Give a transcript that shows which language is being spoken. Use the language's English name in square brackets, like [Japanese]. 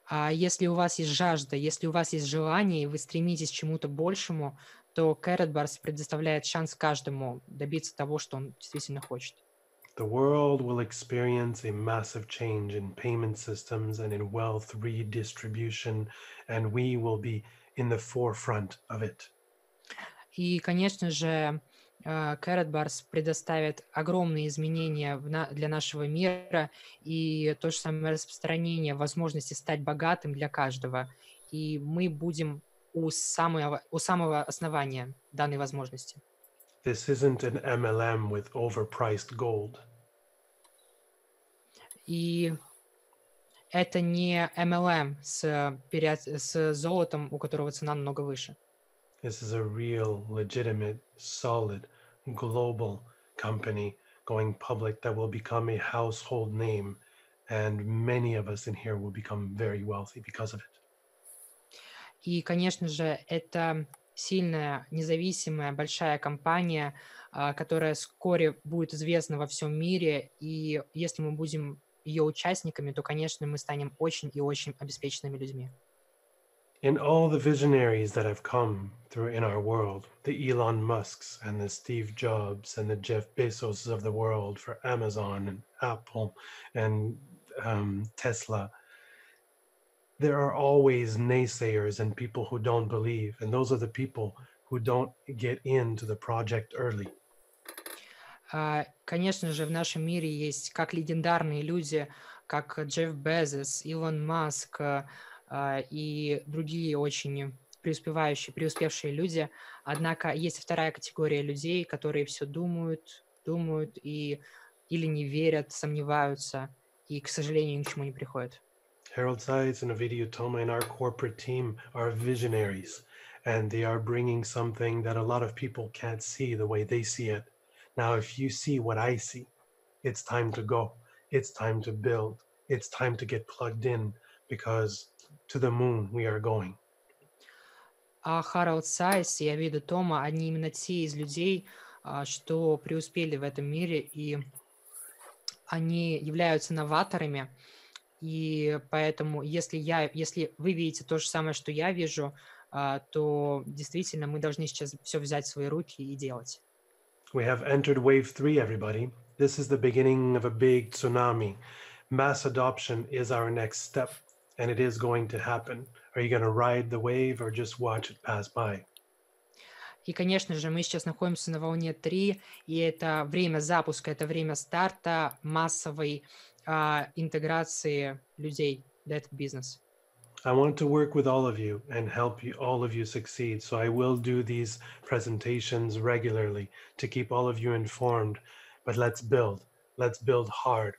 [Russian] Если у вас есть жажда, если у вас есть желание, и вы стремитесь к чему-то большему, то Carrot Bar предоставляет шанс каждому добиться того, что он действительно хочет. [English] The world will experience a massive change in payment systems and in wealth redistribution, and we will be in the forefront of it. [Russian] И, конечно же, Carrot Bar предоставит огромные изменения для нашего мира и то же самое распространение возможности стать богатым для каждого. И мы будем у самого основания данной возможности. [English] This isn't an MLM with overpriced gold. [Russian] И это не MLM с золотом, у которого цена намного выше. [English] This is a real, legitimate, solid, global company going public that will become a household name, and many of us in here will become very wealthy because of it. [Russian] И, конечно же, это сильная, независимая, большая компания, которая вскоре будет известна во всем мире, и если мы будем ее участниками, то, конечно, мы станем очень и очень обеспеченными людьми. [English] In all the visionaries that have come through in our world, the Elon Musks and the Steve Jobs and the Jeff Bezos of the world for Amazon and Apple and Tesla, there are always naysayers and people who don't believe, and those are the people who don't get into the project early. [Russian] Конечно же, в нашем мире есть как легендарные люди, как Джефф Безос, Илон Маск, и другие очень преуспевшие люди. Однако есть вторая категория людей, которые все думают и или не верят, сомневаются, и, к сожалению, ни к чему не приходят. [English] Harold Seitz and Ovidiu Toma and our corporate team are visionaries, and they are bringing something that a lot of people can't see the way they see it. Now, if you see what I see, it's time to go, it's time to build, it's time to get plugged in, because to the moon we are going. Harold Seitz and Ovidiu Toma are one of the people who have succeeded in this world, and they are innovators. [Russian] И поэтому, если вы видите то же самое, что я вижу, то действительно мы должны сейчас все взять в свои руки и делать. [English] We have entered wave 3, everybody. This is the beginning of a big tsunami. Mass adoption is our next step, and it is going to happen. Are you going to ride the wave or just watch it pass by? [Russian] И, конечно же, мы сейчас находимся на волне 3, и это время запуска, это время старта массовой интеграции людей в этот бизнес. [English] I want to work with all of you and help you, all of you succeed, so I will do these presentations regularly to keep all of you informed, but let's build hard.